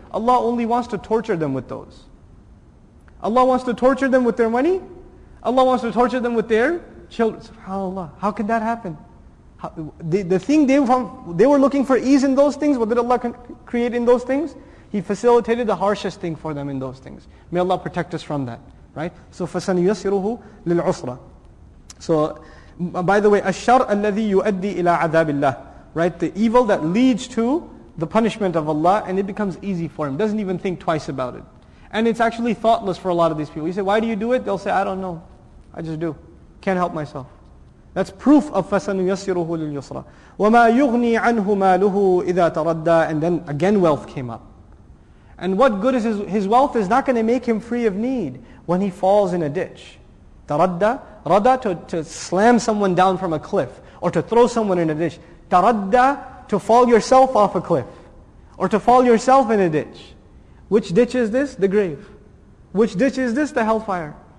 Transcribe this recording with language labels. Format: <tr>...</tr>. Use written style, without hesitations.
<en>Allah only wants to torture them with those. Allah wants to torture them with their money. Allah wants to torture them with their children. SubhanAllah. How can that happen? The thing they were looking for ease in those things. What did Allah create in those things? He facilitated the harshest thing for them in those things. May Allah protect us from that. Right? So,</en> <ar>فَسَنُيَسِّرُهُ لِلْعُسْرَ.</ar> <en>So, by the way,</en> <ar>الشر الذي يؤدي إلى عذاب الله, right?</ar> <en>The evil that leads to the punishment of Allah, and it becomes easy for him. Doesn't even think twice about it, and it's actually thoughtless for a lot of these people. You say, "Why do you do it?" They'll say, "I don't know. I just do. Can't help myself." That's proof of</en> <ar>فَسَنُيَسِّرُهُ لِلْيُسْرَ. وَمَا يُغْنِي عَنْهُ مَالُهُ إِذَا تَرَدَّى.</ar> <en>And then again, wealth came up. And what good is his wealth? Is not going to make him free of need when he falls in a ditch. تَرَدَّى. Radda, to slam someone down from a cliff, or to throw someone in a ditch. Taradda, to fall yourself off a cliff, or to fall yourself in a ditch. Which ditch is this? The grave. Which ditch is this? The hellfire.</en>